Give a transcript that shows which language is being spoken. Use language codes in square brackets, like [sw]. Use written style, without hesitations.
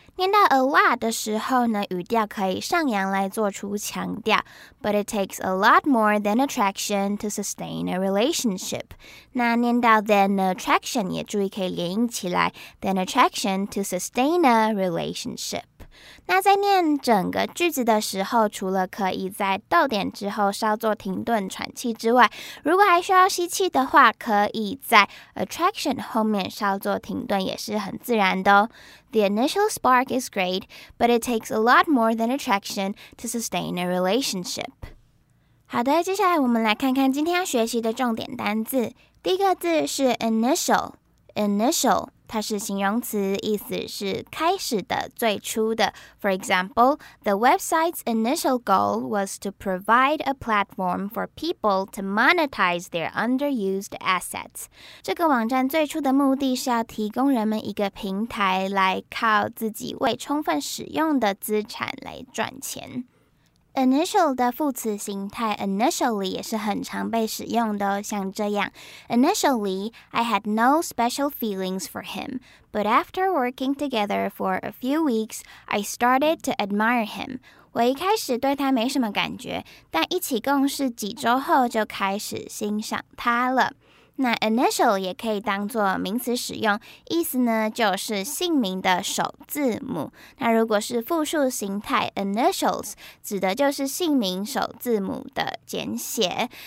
[zh] 念到 a lot 的时候呢，语调可以上扬来做出强调。 [en] But it takes a lot more than attraction to sustain a relationship. [zh] 那念到 [en] than attraction [zh] 也注意可以连音起来。 [en] Than attraction to sustain a relationship. [zh] 那在念整个句子的时候，除了可以在逗点之后稍作停顿喘气之外，如果还需要吸气的话，可以在 attraction 后面稍作停顿，也是很自然的哦。 [en] The initial spark is great, but it takes a lot more than attraction to sustain a relationship. [zh] 好的，接下来我们来看看今天要学习的重点单字。第一个字是 initial。它是形容词，意思是开始的、最初的。 [en] For example, the website's initial goal was to provide a platform for people to monetize their underused assets. [zh] 这个网站最初的目的是要提供人们一个平台来靠自己未充分使用的资产来赚钱。 [en] Initial [zh] 的副词形态 initially 也是很常被使用的哦，像这样 [en] ，Initially, I had no special feelings for him, but after working together for a few weeks, I started to admire him. [zh] 我一开始对他没什么感觉，但一起共事几周后就开始欣赏他了。那 initial 也可以当作名词使用，意思呢就是姓名的首字母。那如果是复数形态 initials， 指的就是姓名首字母的简写。